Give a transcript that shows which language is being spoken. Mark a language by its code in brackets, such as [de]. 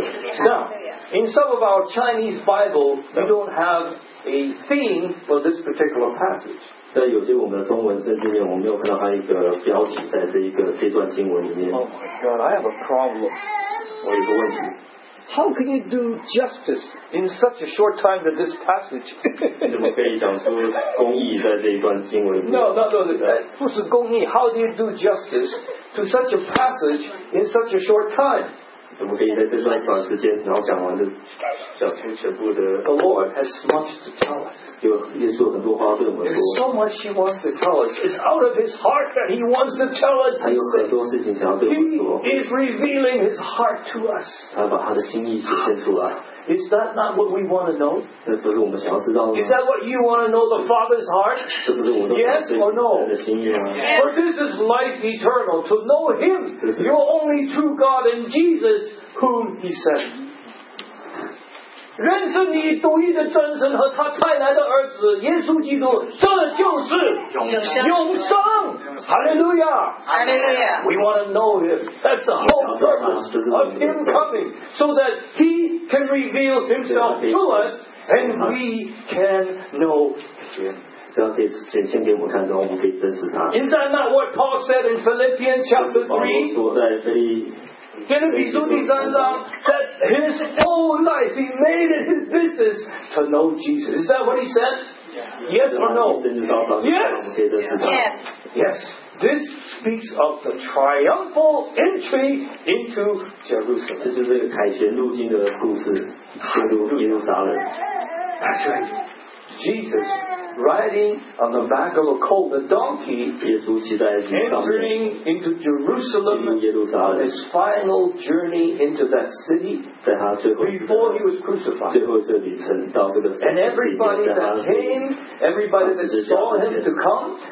[en] Now, in some of our Chinese Bible, we don't have a theme for this particular passage. [zh] 在有些我们的中文圣经里面，我没有看到它一个标题在这段经文里面。 [en] Oh my God, I have a problem. [zh] 我有个问题。 [en] How can you do justice in such a short time to this passage? [zh] 你怎么可以讲出公义在这一段经文？ No, 不是公义。 [en] How do you do justice to such a passage in such a short time? [zh] 怎么可以在这段短时间，然后讲完就讲出全部的？ [en] The Lord has much to tell us. [zh] 有耶稣很多话对我们说。 [en] There's so much He wants to tell us. It's out of His heart that He wants to tell us. [zh] 他有很多事情想要对我们说。 [en] He is revealing His heart to us. [zh] 他把他的心意显现出来。 [en] Is that not what we want to know? [zh] 这不是我们想要知道的吗？ [en] Is that what you want to know, the Father's heart? [zh] 这不是我们的 [en] yes or no? Yes. For this is life eternal, to know Him, your only true God and Jesus, whom He sent. [zh] 认识你独一的真神和他差来的儿子耶稣基督，这就是永生。 [en] Hallelujah! Hallelujah! We want to know Him. That's the whole purpose of Him coming, so that He can reveal Himself to us, and we can know Him. Is that not what Paul said in Philippians chapter 3? That his whole life he made it his business to know Jesus. Is that what he said? Yes or no? Yes. This speaks of the triumphal entry into Jerusalem. [zh] 这就是凯旋入境的故事，进入耶路撒冷。 [en] That's right. Jesus riding on the back of a colt, a donkey, [zh] 耶稣骑在驴上面， [en] entering into Jerusalem, [zh] 进入耶路撒冷， [en] his final journey into that city, [zh] 在他最后 [en] before he was crucified. [zh] 最后这旅程到这个 [en] And everybody that came, everybody that saw him to come,